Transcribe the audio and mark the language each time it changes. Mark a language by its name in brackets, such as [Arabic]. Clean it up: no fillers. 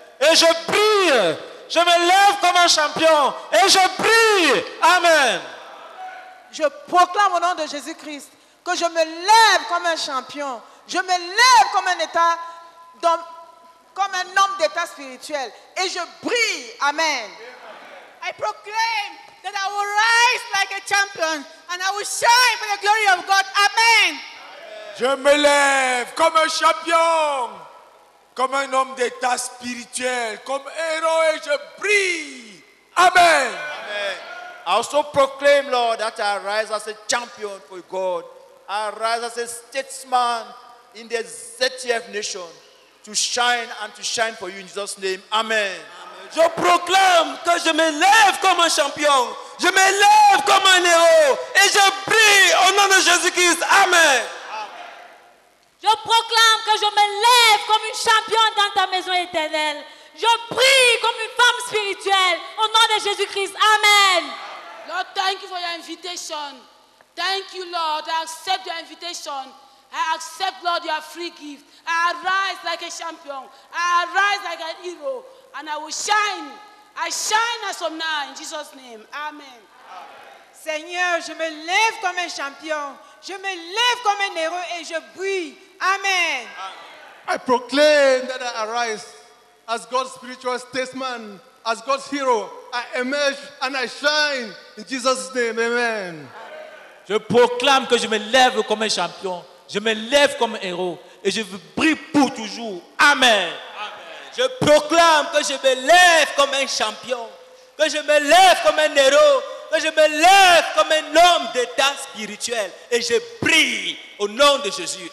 [French] Et je brille, je me lève comme un champion et je brille. Amen. Je proclame au nom de Jésus-Christ que je me lève comme un champion. Je me lève comme un état, comme un homme d'état spirituel et je brille. Amen. [English] I proclaim that I will rise like a champion and I will shine for the glory of God. Amen. [French] Je me lève comme un champion. Comme un homme d'état spirituel, comme héros, et je brille. Amen. [English] Amen. I also proclaim, Lord, that I rise as a champion for God. I rise as a statesman in the ZTF nation to shine and to shine for you in Jesus' name. Amen. Amen. [French] Je proclame que je me lève comme un champion. Je me lève comme un héros et je brille au nom de Jésus-Christ. Amen. Je proclame que je me lève comme une championne dans ta maison éternelle. Je prie comme une femme spirituelle au nom de Jésus-Christ. Amen. [English] Lord, thank you for your invitation. Thank you, Lord. I accept your invitation. I accept, Lord, your free gift. I arise like a champion. I arise like an hero. And I will shine. I shine as of now in Jesus' name. Amen. Amen. [French] Seigneur, je me lève comme un champion. Je me lève comme un héros et je brille. Amen. [English] I proclaim that I arise as God's spiritual statesman, as God's hero. I emerge and I shine in Jesus' name. Amen. Amen. [French] Je proclame que je me lève comme un champion. Je me lève comme un héros et je brille pour toujours. Amen. Amen. Je proclame que je me lève comme un champion, que je me lève comme un héros. Que je me lève comme un homme d'état spirituel et je prie au nom de Jésus.